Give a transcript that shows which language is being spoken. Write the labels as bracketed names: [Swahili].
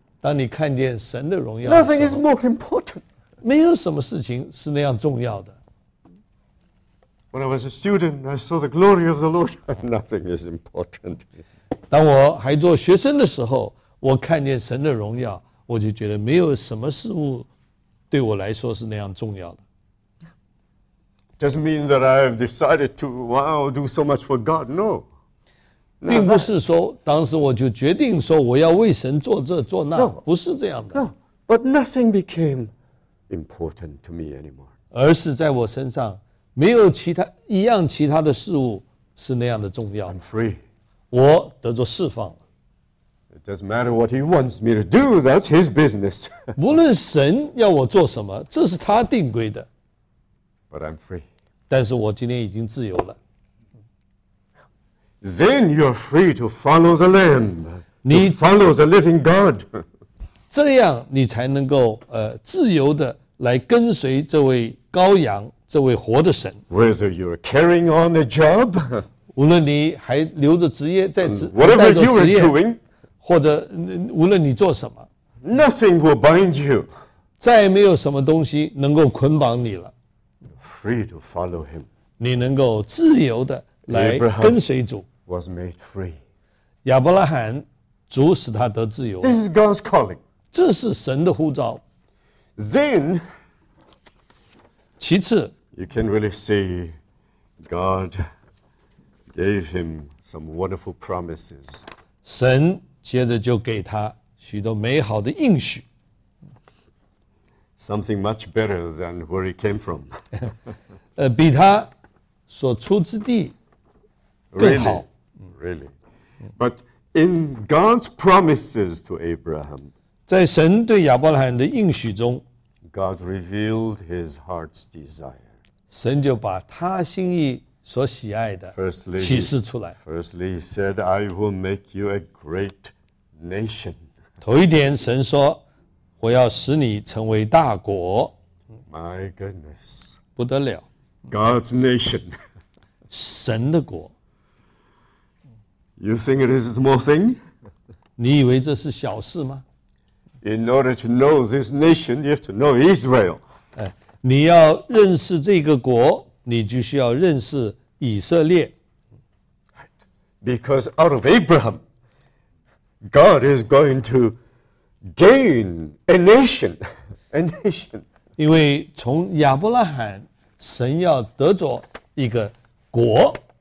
[Chinese] 当你看见神的荣耀。 [English] Nothing is more important. [Chinese] 没有什么事情是那样重要的。 [English] When I was a student, I saw the glory of the Lord. Nothing is important. [Chinese] 当我还做学生的时候，我看见神的荣耀，我就觉得没有什么事物对我来说是那样重要的。 [English] Doesn't mean that I've decided to wow do so much for God. No, [Chinese] 并不是说当时我就决定说我要为神做这做那，不是这样的。 [English] No, but nothing became important to me anymore. [Chinese] 而是在我身上没有其他一样其他的事物是那样的重要。 [English] I'm free. [Chinese] 我得着释放了。 [English] It doesn't matter what He wants me to do. That's His business. [Chinese] 无论神要我做什么，这是他定规的。 [English] But I'm free. [Chinese] 但是我今天已经自由了。 [English] Then you're free to follow the Lamb. [Chinese] 你 [English] follow the living God. [Chinese] 这样你才能够自由的来跟随这位羔羊，这位活的神。 [English] Whether you're carrying on the job, [Chinese] 无论你还留着职业在职 [English] ，whatever you are doing, [Chinese] 或者无论你做什么 [English] ，nothing will bind you. [Chinese] 再没有什么东西能够捆绑你了。 [English] Free to follow him. [Chinese] 你能够自由的来跟随主。 [English] Abraham was made free. [Chinese] 亚伯拉罕，主使他得自由。 [English] This is God's calling. [Chinese] 这是神的呼召。 [English] Then, [Chinese] 其次 [English] you can really see God gave him some wonderful promises. [Chinese] 神接着就给他许多美好的应许。 [English] Something much better than where he came from. [Chinese] 比他所出之地更好。 [English] Really? But in God's promises to Abraham, [Chinese] 在神对亚伯拉罕的应许中 [English] God revealed his heart's desire. [Chinese] 神就把他心意所喜爱的启示出来。 [English] Firstly, he said, I will make you a great nation. [Chinese] 头一点神说我要使你成为大国。 [English] My goodness. [Chinese] 不得了。 [English] God's nation. [Chinese] 神的国。 [English] You think it is a small thing? [Chinese] 你以为这是小事吗？ [English] In order to know this nation, you have to know Israel. [Chinese] 你要认识这个国，你就需要认识以色列。 [English] Because out of Abraham, God is going to Gain a nation, a nation. [Chinese] 因为从亚伯拉罕，神要得着一个国。